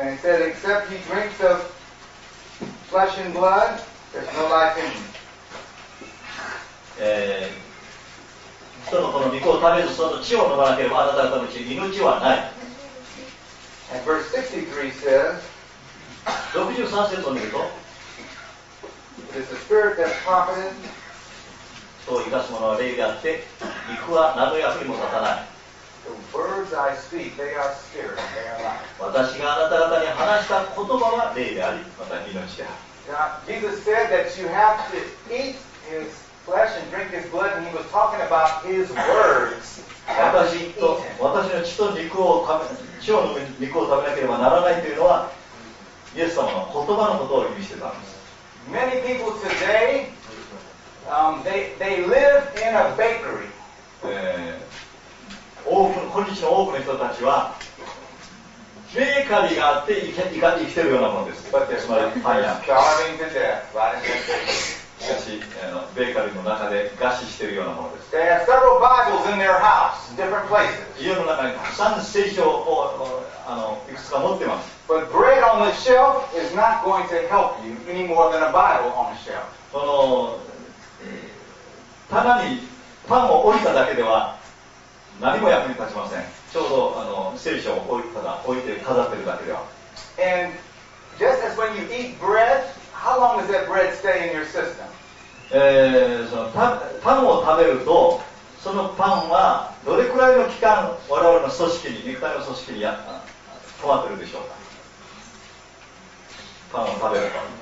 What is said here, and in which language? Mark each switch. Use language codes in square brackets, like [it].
[en] And it said, except he drinks of flesh and blood, there's no life in him. [ja] 人のこの御子を食べずその血を飲まなければあなた方のうち命はない。 [en] And verse 63 says, [ja] 63節を見ると、 [en] It's the spirit that's confident. [ja] 人を生かすものは霊であって、肉は何の役にも立たない。 [en] The words I speak, they are spirit, they are life. [ja] 私があなた方に話した言葉は霊であり、また命である。 [en] Jesus said that you have to eat his flesh and drink his blood, and he was talking about his words. [ja] 私の血と肉を食べ、血を飲む肉を食べなければならないというのは、イエス様の言葉のことを意味してたんです。 [en] Many people today, they live in a bakery. [ja] 今日の多くの人たちは、ベーカリーがあって生きてるようなものです。 [en] But they're starving to death. [ja] しかし、ベーカリーの中で餓死しているようなものです。 [en] They have several Bibles in their house, different places. [ja] 家の中にたくさん聖書をいくつか持ってます。 [en] But bread on the shelf is not going to help you any more than a Bible on the shelf. [ja] その棚にパンを置いただけでは何も役に立ちません。ちょうど聖書を置いて飾ってるだけでは。 [en] And just as when you eat bread, how long does that bread stay in your system? [ja] そのパンを食べるとそのパンはどれくらいの期間我々の組織に肉体の組織にやった止まってるでしょうか。パンを食べると。